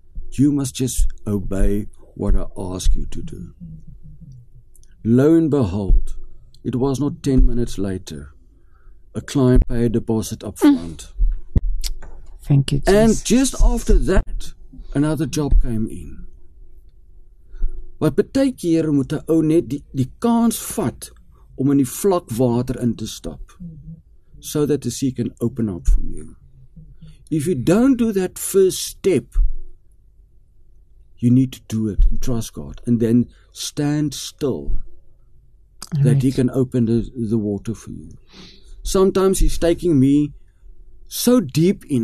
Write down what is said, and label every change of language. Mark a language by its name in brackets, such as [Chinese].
[English] You must just obey what I ask you to do. Lo and behold, it was not 10 minutes later. A client paid a deposit up front. Thank you, Jesus. And just after that, another job came in. [Afrikaans] Wat baie keer moet 'n ou net die kans vat om in die vlak water in te stap. [English] So that the sea can open up for you. If you don't do that first step, you need to do it and trust God. And then stand still that He can open the water for you. Sometimes He's taking me so deep in.